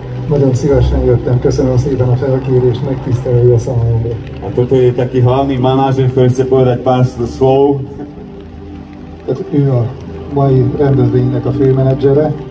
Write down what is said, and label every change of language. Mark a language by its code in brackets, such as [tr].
[hu] Nagyon szívesen jöttem, köszönöm szépen a felkérést, megtisztelő a számomra. [sk] A toto je taký hlavný manažer, ktorý chce povedať pár slov. [hu] Tehát ő a mai rendezvénynek a főmenedzsere.